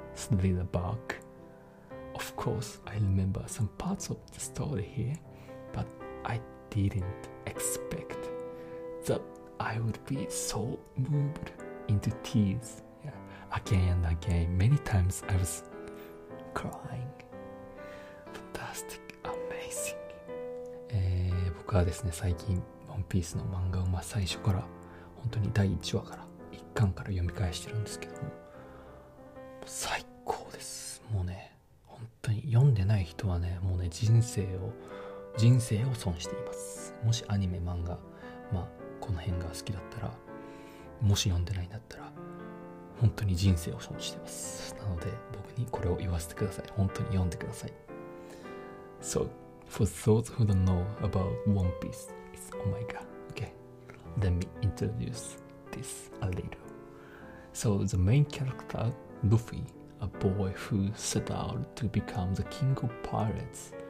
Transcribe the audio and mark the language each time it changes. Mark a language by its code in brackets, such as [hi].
[en] Thriller bug. Of course, I remember some parts of the story here, but I didn't expect that I would be so moved into tears. Yeah, again and again, many times I was crying. Fantastic, amazing. [ja] 僕はですね、最近 One Piece の漫画を最初から本当に第1話から一巻から読み返してるんですけども、最高。もうね、本当に読んでない人はね、もうね、人生を損しています。もしアニメ漫画、まあこの辺が好きだったら、もし読んでないんだったら本当に人生を損しています。なので僕にこれを言わせてください。本当に読んでください。 [en] So for those who don't know about One Piece, it's oh my god, okay, let me introduce this a little. So the main character LuffyA boy who set out to become the king of pirates.